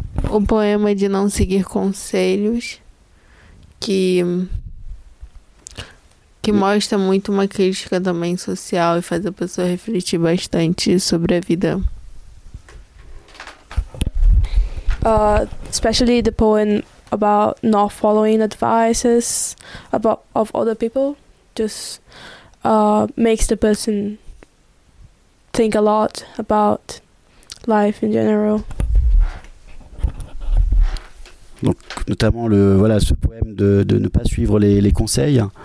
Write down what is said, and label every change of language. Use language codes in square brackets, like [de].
[pt] O poema de não seguir conselhos que mostra muito uma crítica também social e faz a pessoa refletir bastante sobre a vida. [en] Especially the poem about not following advices of other people just makes the person think a lot about life in general. [fr] Donc, notamment ce poème de ne pas suivre les conseils.